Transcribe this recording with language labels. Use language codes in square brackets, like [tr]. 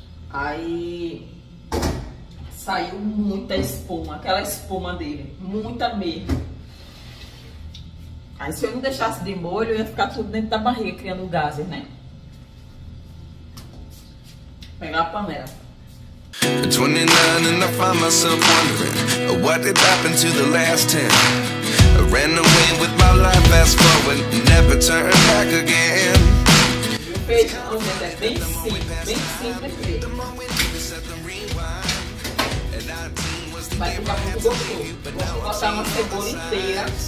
[pt] Aí saiu muita espuma. Aquela espuma dele. Muita mesmo. Aí se eu não deixasse de molho, ia ficar tudo dentro da barriga, criando gases, né? Pegar a panela. [en] 29 and I find myself wondering, what did happen to the last 10? I ran away with my life, fast forward, never turn back again. [pt] Meu feijão, gente, é bem simples. Vai ficar muito gostoso. Vamos botar uma cebola inteira.